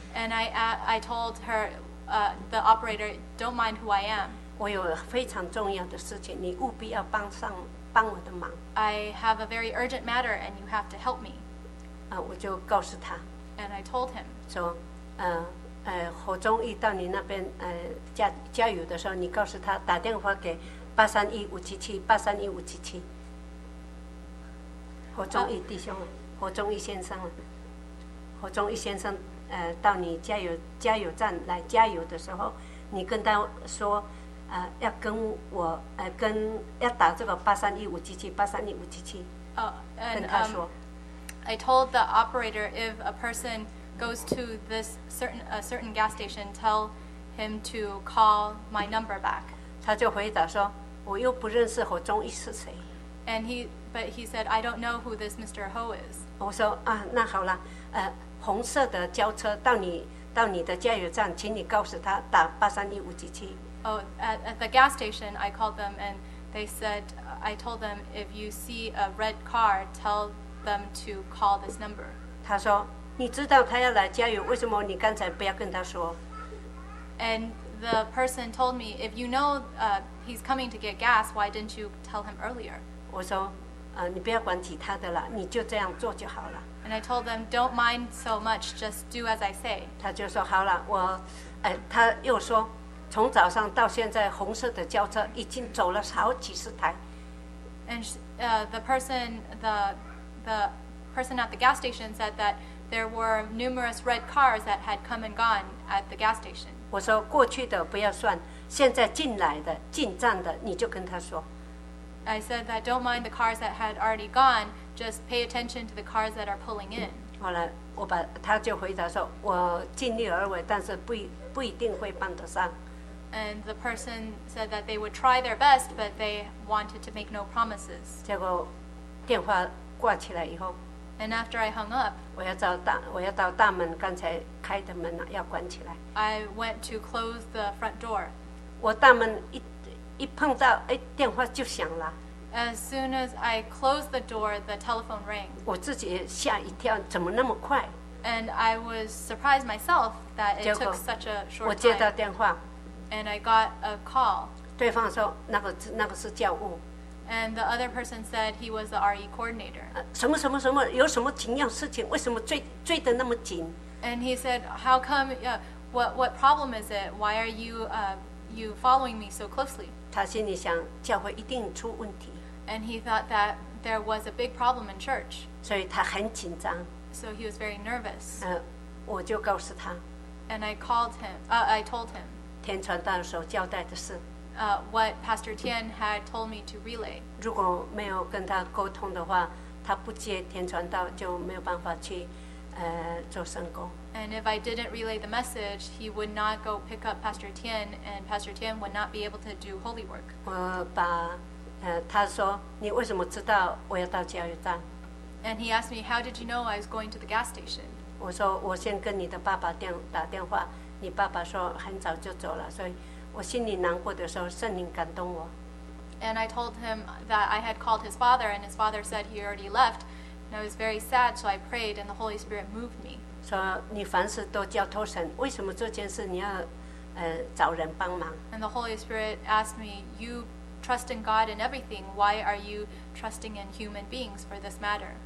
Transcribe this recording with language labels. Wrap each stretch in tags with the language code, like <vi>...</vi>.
<en>And I told her, the operator, don't mind who I am.</en> <zh>我有非常重要的事情，你务必要帮我的忙。</zh> <en>I have a very urgent matter, and you have to help me.</en> <zh>我就告诉他。</zh> <en>And I told him.</en> <zh>说，何忠义到你那边加油的时候，你告诉他打电话给831577，八三一五七七。何忠义弟兄，何忠义先生，何忠义先生，到你加油站来加油的时候，你跟他说。要跟我跟要打这个831577八三一五七七，跟他说。</zh> <en>I told the operator if a person goes to this certain gas station, tell him to call my number back.</en> <zh>他就回答说，我又不认识何忠义是谁。</zh> <en>And he said I don't know who this Mr. Ho is.</en> <zh>我说那好了，红色的轿车到你的加油站，请你告诉他打831577。</zh> <en>Oh, at the gas station, I called them and they said, I told them, if you see a red car, tell them to call this number.</en> <zh>他说，你知道他要来加油，为什么你刚才不要跟他说？</zh> <en>And the person told me, if you know he's coming to get gas, why didn't you tell him earlier?</en> <zh>我说，你不要管其他的了，你就这样做就好了。</zh> <en>And I told them, don't mind so much, just do as I say.</en> <zh>他就说，好了，他又说，从早上到现在，红色的轿车已经走了好几十台。</zh> <en>And the person at the gas station said that there were numerous red cars that had come and gone at the gas station.</en> <zh>我说过去的不要算，现在进来的、进站的，你就跟他说。</zh> <en>I said that don't mind the cars that had already gone, just pay attention to the cars that are pulling in.</en> <zh>后来他就回答说，我尽力而为，但是不一定会帮得上。</zh> <en>And the person said that they would try their best, but they wanted to make no promises.</en> <zh>结果电话挂起来以后，</zh> <en>And after I hung up,</en> <zh>我要到大门，刚才开的门要关起来。</zh> <en>I went to close the front door.</en> <zh>我大门一碰到，电话就响了。</zh> <en>As soon as I closed the door, the telephone rang.</en> <zh>我自己吓一跳，怎么那么快？</zh> <en>And I was surprised myself that it took such a short time.</en> <zh>我接到电话。</zh> <en>And I got a call.</en> <zh>对方说那个是教务。</zh> <en>And the other person said he was the RE coordinator.</en> <zh>什么什么什么，有什么紧要事情？为什么追得那么紧</zh> <en>？And he said, "How come? What problem is it? Why are you following me so closely?"</en> <zh>他心里想，教会一定出问题。</zh> <en>And he thought that there was a big problem in church.</en> <zh>所以他很紧张。</zh> <en>So he was very nervous.</en> <zh>我就告诉他。</zh> <en>And I called him. I told him.</en> <zh>天传道所交代的事。</zh> <en>What Pastor Tian had told me to relay.</en> <zh>如果没有跟他沟通的话，他不接天传道就没有办法去做圣工。</zh> <en>And if I didn't relay the message, he would not go pick up Pastor Tian, and Pastor Tian would not be able to do holy work.</en> <zh>我把他说你为什么知道我要到加油站？</zh> <en>And he asked me, how did you know I was going to the gas station?</en> <zh>我说我先跟你的爸爸打电话，你爸爸说很早就走了，所以我心里难过的时候，圣灵感动我。</zh> <en>And I told him that I had called his father, and his father said he already left. And I was very sad, so I prayed, and the Holy Spirit moved me.</en> <zh>说你凡事都交托神，为什么这件事你要找人帮忙？</zh> <en>And the Holy Spirit asked me, you trust in God in everything. Why are you trusting in human beings for this matter?</en>